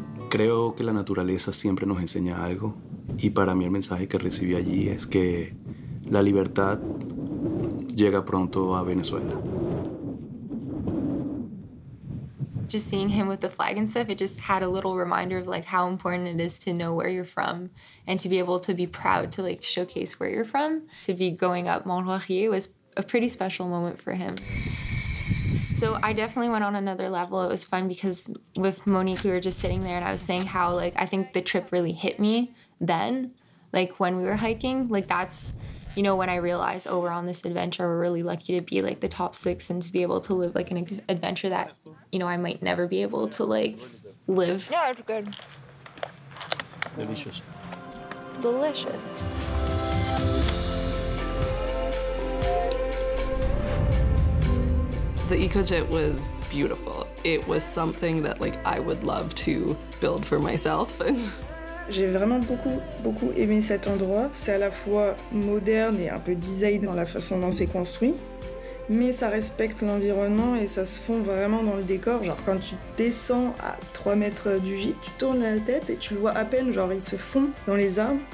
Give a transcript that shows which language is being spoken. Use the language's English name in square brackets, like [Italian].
[Spanish] Creo que la naturaleza siempre nos enseña algo y para mí el mensaje que recibí allí es que la libertad llega pronto a Venezuela. [English] Just seeing him with the flag and stuff, it just had a little reminder of like how important it is to know where you're from and to be able to be proud to like showcase where you're from. To be going up Mont Laurier was a pretty special moment for him. So I definitely went on another level. It was fun because with Monique, we were just sitting there and I was saying how, like, I think the trip really hit me then, like when we were hiking. Like that's, you know, when I realized, oh, we're on this adventure. We're really lucky to be like the top six and to be able to live like an adventure that, you know, I might never be able to like live. Yeah, that's good. Delicious. Delicious. The Écogîtes was beautiful. It was something that like I would love to build for myself. [French] J'ai vraiment beaucoup beaucoup aimé cet endroit. C'est à la fois moderne et un peu design dans la façon dont c'est construit, mais ça respecte l'environnement et ça se fond vraiment dans le décor. Genre quand tu descends à 3 mètres du gîte, tu tournes la tête et tu le vois à peine, genre il se fond dans les arbres.